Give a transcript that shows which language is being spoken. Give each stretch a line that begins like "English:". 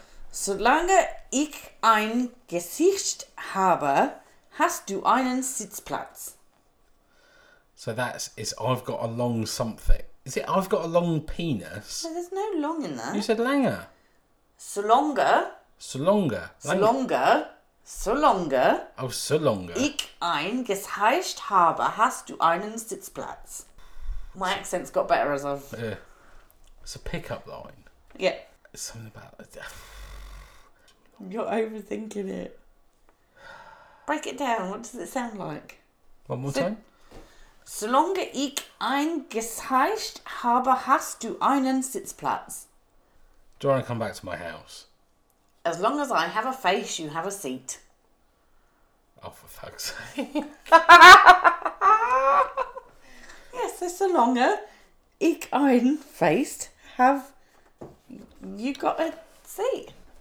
German: Solange ich ein Gesicht habe, hast du einen Sitzplatz.
English: So that's, it's I've got a long something. Is it I've got a long penis? No, there's no long in that. You said langer.
German: Solange. Solange. Solange. Solange. Oh, solange. Ich ein Gesicht habe, hast du einen Sitzplatz.
English: My accent's got better as I've... It's a pickup line. Yeah. It's something about... You're overthinking it. Break it down. What does it sound like? One more time.
German: Solange ich ein Gesicht habe, hast du einen Sitzplatz.
English: Do you want to come back to my house? As long as I have a face, you have a seat. Oh, for fuck's sake. Yes, yeah, so longer,
German: ich ein
English: faced, have you got a seat?